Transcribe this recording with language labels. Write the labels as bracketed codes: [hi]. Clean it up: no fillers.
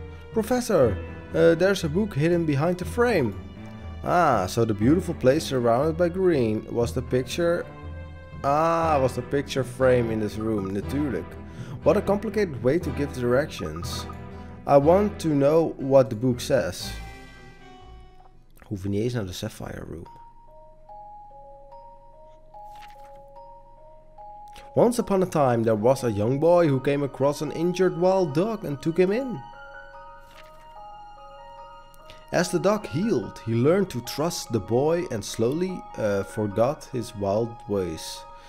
[en] Professor, there's a book hidden behind the frame. Ah, so the beautiful place surrounded by green was the picture. Ah, was the picture frame in this room, [nl] natuurlijk. [en] What a complicated way to give directions. I want to know what the book says. [nl] Hoef niet eens naar de Sapphire Room. [en] Once upon a time, there was a young boy who came across an injured wild dog and took him in. As the dog healed, he learned to trust the boy and slowly forgot his wild ways.